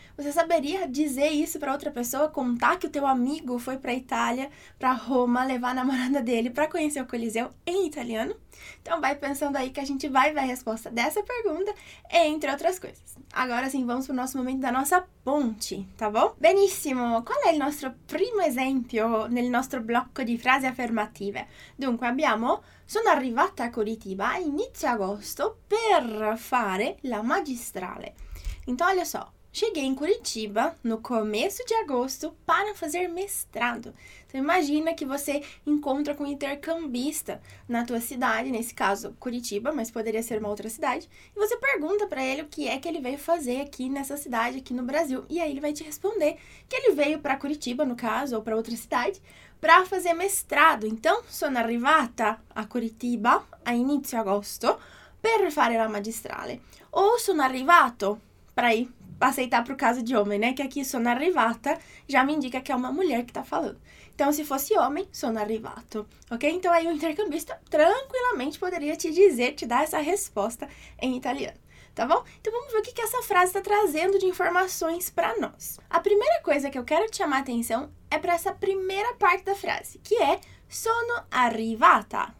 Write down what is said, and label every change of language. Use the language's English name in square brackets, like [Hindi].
[Portuguese] Você saberia dizer isso para outra pessoa, contar que o teu amigo foi para a Itália, para Roma, levar a namorada dele para conhecer o Coliseu em italiano? Então vai pensando aí que a gente vai ver a resposta dessa pergunta, entre outras coisas. Agora sim, vamos para o nosso momento da nossa ponte, tá bom? [Italian] Benissimo! Qual è il nostro primo esempio nel nostro blocco di frasi affermative? Dunque, abbiamo: sono arrivata a Curitiba a inizio agosto per fare la magistrale. [Portuguese] Então, olha só. Cheguei em Curitiba no começo de agosto para fazer mestrado. Então imagina que você encontra com um intercambista na tua cidade, nesse caso Curitiba, mas poderia ser uma outra cidade, e você pergunta para ele o que é que ele veio fazer aqui nessa cidade, aqui no Brasil. E aí ele vai te responder que ele veio para Curitiba, no caso, ou para outra cidade, para fazer mestrado. [Italian] Então, sono arrivata a Curitiba a inizio agosto per fare la magistrale. [Portuguese] Ou [Italian] sono arrivato [Portuguese] para ir aceitar para o caso de homem, né? Que aqui [Italian] sono arrivata [Portuguese] já me indica que é uma mulher que está falando. Então, se fosse homem, [Italian] sono arrivato, [Portuguese] ok? Então, aí o intercambista tranquilamente poderia te dizer, te dar essa resposta em italiano, tá bom? Então, vamos ver o que que essa frase está trazendo de informações para nós. A primeira coisa que eu quero te chamar a atenção é para essa primeira parte da frase, que é [Italian] sono arrivata.